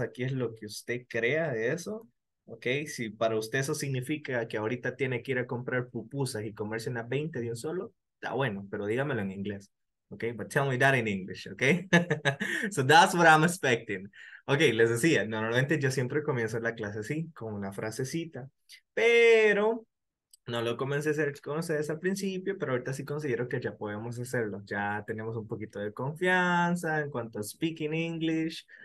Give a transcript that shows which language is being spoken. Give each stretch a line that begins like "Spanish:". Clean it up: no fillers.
Spanish: Aquí es lo que usted crea de eso. Ok, si para usted eso significa que ahorita tiene que ir a comprar pupusas y comerse unas 20 de un solo, está bueno, pero dígamelo en inglés.
English: Ok, but tell me that in English, ok? So that's what I'm expecting.
Spanish: Ok, les decía, normalmente yo siempre comienzo la clase así, con una frasecita, pero No lo comencé a hacer con ustedes al principio, pero ahorita sí considero que ya podemos hacerlo. Ya tenemos un poquito de confianza en cuanto a
English: speaking English.